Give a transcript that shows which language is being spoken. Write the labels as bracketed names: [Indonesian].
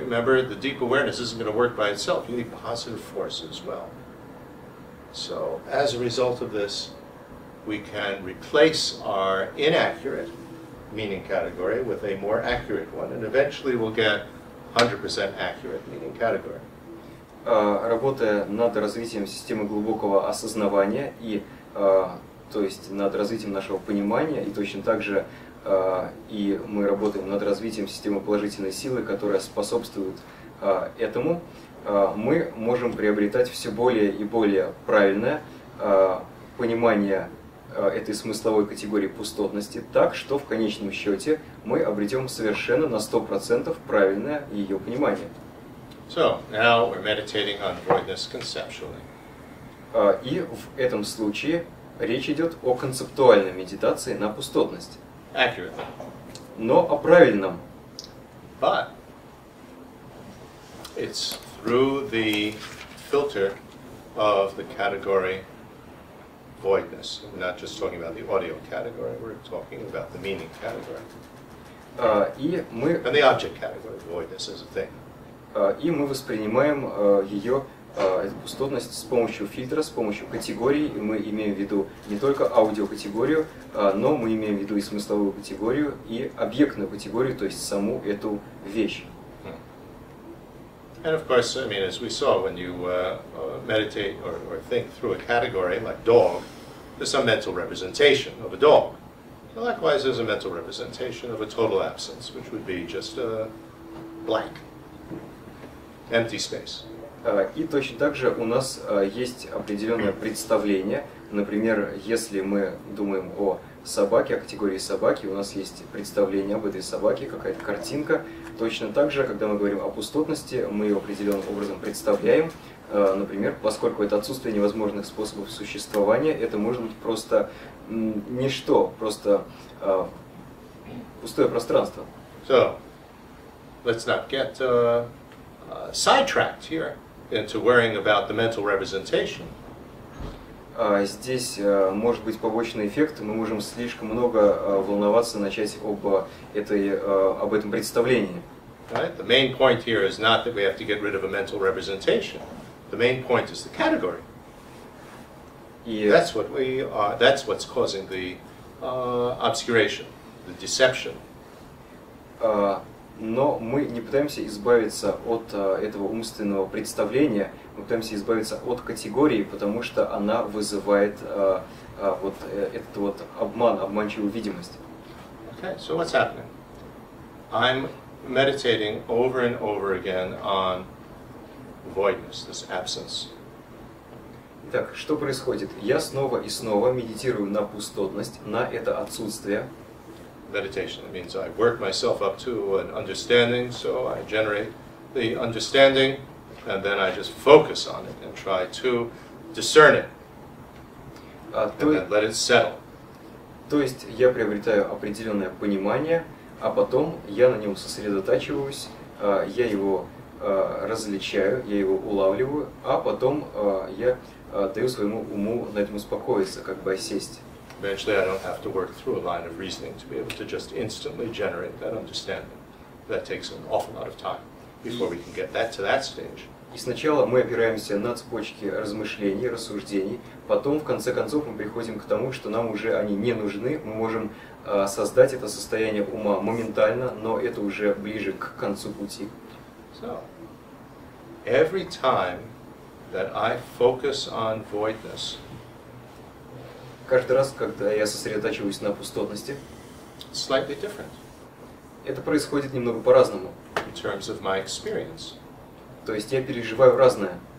[English] Remember, the deep awareness isn't going to work by itself. You need positive force as well. So, as a result of this, we can replace our inaccurate meaning category with a more accurate one, and eventually we'll get 100% accurate meaning category. [Russian] Работая над развитием системы глубокого осознавания и, то есть, над развитием нашего понимания, и точно так же и мы работаем над развитием системы положительной силы, которая способствует этому, мы можем приобретать все более и более правильное понимание этой смысловой категории пустотности так, что в конечном счете мы обретем совершенно на 100% правильное ее понимание. [English] So, now we're meditating on voidness conceptually. [Russian] И в этом случае речь идет о концептуальной медитации на пустотность. [English] Accurately. [Russian] Но о правильном. [English] But it's through the filter of the category voidness. We're not just talking about the audio category, we're talking about the meaning category. And the object category, voidness as a thing. [Russian] И мы воспринимаем ее эту пустотность с помощью фильтра, с помощью категорий. Мы имеем в виду не только аудиокатегорию, но мы имеем в виду и смысловую категорию, и объектную категорию, то есть саму эту вещь. [English] And of course, I mean, as we saw, when you meditate or think through a category like dog, there's some mental representation of a dog. Likewise, there's a mental representation of a total absence, which would be just a blank, empty space. [Russian] И точно так же у нас есть определенное представление. Например, если мы думаем о собаке, о категории собаки, у нас есть представление об этой собаке, какая-то картинка. Точно так же, когда мы говорим о пустотности, мы ее определенным образом представляем. Например, поскольку это отсутствие невозможных способов существования, это может быть просто ничто, просто пустое пространство. [English] So, let's not get sidetracked here into worrying about the mental representation. [Russian] Здесь может быть побочный эффект, мы можем слишком много волноваться, начать об этом представлении. [English] Right? The main point here is not that we have to get rid of a mental representation. The main point is the category. That's what we are. That's what's causing the obscuration, the deception. [Russian] Но мы не пытаемся избавиться от этого умственного представления. Мы пытаемся избавиться от категории, потому что она вызывает вот этот вот обман, обманчивую видимость. [English] Okay. So what's happening? I'm meditating over and over again on voidness, this absence. [Russian] Итак, что происходит? Я снова и снова медитирую на пустотность, на это отсутствие. [English] Meditation means I work myself up to an understanding, so I generate the understanding, and then I just focus on it and try to discern it, and then let it settle. [Russian] То есть я приобретаю определенное понимание, а потом я на нем сосредотачиваюсь, я его различаю, я его улавливаю, а потом я даю своему уму на этом успокоиться, как бы осесть. [English] Eventually I don't have to work through a line of reasoning to be able to just instantly generate that understanding. That takes an awful lot of time before we can get that to that stage. [Russian] И сначала мы опираемся на цепочки размышлений, рассуждений, потом в конце концов мы приходим к тому, что нам уже они не нужны, мы можем создать это состояние ума моментально, но это уже ближе к концу пути. [English] So, every time that I focus on voidness, [Russian] каждый раз, когда я сосредотачиваюсь на пустотности, [English] slightly different. [Russian] Это происходит немного по-разному. [English] In terms of my experience. [Russian] То есть я переживаю разное.